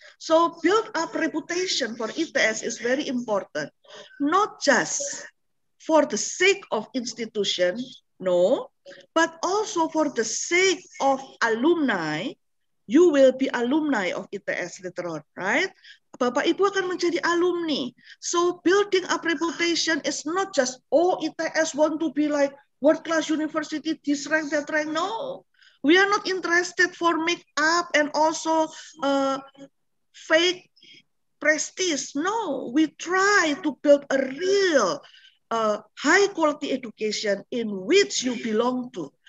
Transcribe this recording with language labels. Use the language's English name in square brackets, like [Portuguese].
[English] So build up reputation for ITS is very important. Not just for the sake of institution, no, but also for the sake of alumni. You will be alumni of ITS later on, right? [Indonesian] Bapak Ibu akan menjadi alumni. [English] So building up reputation is not just, oh, ITS want to be like world-class university, this rank, that rank. No, we are not interested for makeup and also fake prestige. No, we try to build a real high quality education in which you belong to.